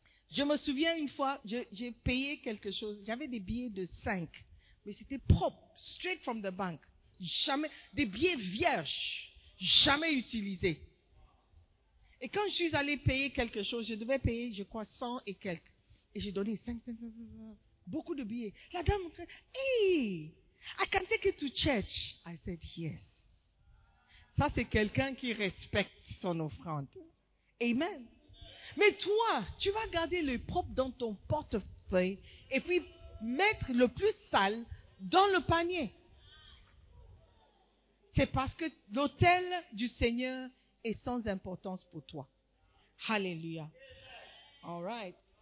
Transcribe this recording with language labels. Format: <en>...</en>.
<fr>Je me souviens une fois, j'ai payé quelque chose. J'avais des billets de 5, mais c'était propre,</fr> <en>straight from the bank.</en> <fr>Jamais, des billets vierges, jamais utilisés. Et quand je suis allée payer quelque chose, je devais payer, je crois, 100 et quelques. Et j'ai donné 5, beaucoup de billets. La dame,</fr> <en>hey, I can take it to church. I said, yes.</en> <fr>Ça, c'est quelqu'un qui respecte son offrande. Amen. Mais toi, tu vas garder le propre dans ton portefeuille et puis mettre le plus sale dans le panier. C'est parce que l'autel du Seigneur est sans importance pour toi. Alléluia.</fr> <en>All right.</en>